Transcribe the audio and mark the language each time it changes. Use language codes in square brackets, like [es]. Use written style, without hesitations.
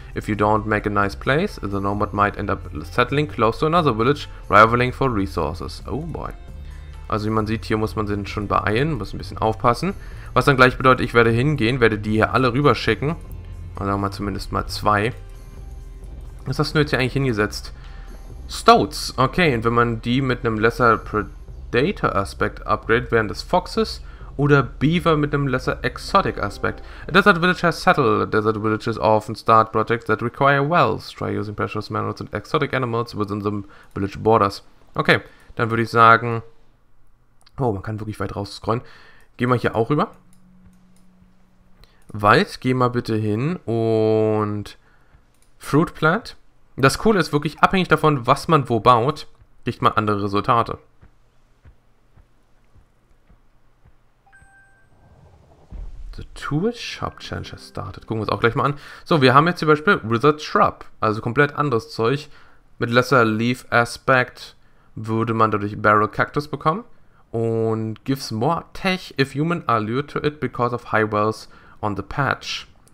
[en] If you don't make a nice place, the nomad might end up settling close to another village, rivaling for resources. Oh boy. [de] Also wie man sieht, hier muss man sich schon beeilen, muss ein bisschen aufpassen. Was dann gleich bedeutet, ich werde hingehen, werde die hier alle rüberschicken. Oder sagen wir zumindest mal zwei. Was hast du jetzt hier eigentlich hingesetzt? Stoats. Okay, und wenn man die mit einem Lesser Predator Aspect upgrade, wären das Foxes oder Beaver mit einem Lesser Exotic Aspect. [en] A desert village has settled. Desert villages often start projects that require wells. Try using precious minerals and exotic animals within the village borders. [de] Okay, dann würde ich sagen, oh, man kann wirklich weit raus scrollen. Geh mal hier auch rüber. Wald, geh mal bitte hin und Fruit Plant. Das Coole ist wirklich, abhängig davon, was man wo baut, kriegt man andere Resultate. [en] The Tool Shop Challenge has started. [de] Gucken wir uns auch gleich mal an. So, wir haben jetzt zum Beispiel Withered Shrub. Also komplett anderes Zeug. Mit Lesser Leaf Aspect würde man dadurch Barrel Cactus bekommen. [en] Und gives more tech if human are lured to it because of high wells on the patch.